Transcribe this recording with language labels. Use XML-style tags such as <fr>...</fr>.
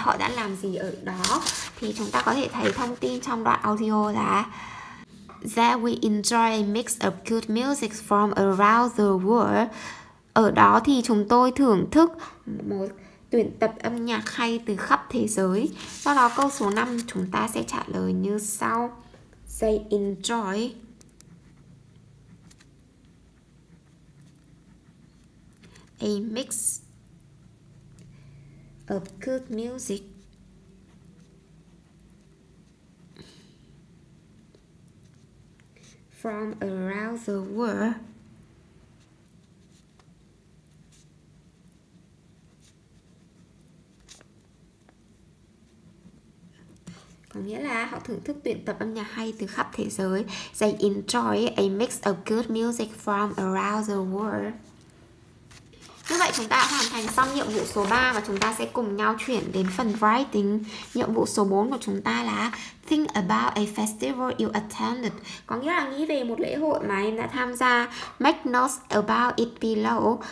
<vi>Họ đã làm gì ở đó? Thì chúng ta có thể thấy thông tin trong đoạn audio là</vi> <en>There we enjoy a mix of good music from around the world.</en> <vi>Ở đó thì chúng tôi thưởng thức một tuyển tập âm nhạc hay từ khắp thế giới. Do đó câu số 5 chúng ta sẽ trả lời như sau.</vi> <en>They enjoy a mix of good music from around the world.</en> <vi>Có nghĩa là họ thưởng thức tuyển tập âm nhạc hay từ khắp thế giới.</vi> <en>They enjoy a mix of good music from around the world.</en> <vi>Như vậy chúng ta đã hoàn thành xong nhiệm vụ số 3 và chúng ta sẽ cùng nhau chuyển đến phần writing. Nhiệm vụ số 4 của chúng ta là</vi> <en>Think about a festival you attended.</en> <vi>Có nghĩa là nghĩ về một lễ hội mà em đã tham gia.</vi> <en>Make notes about it below.</en>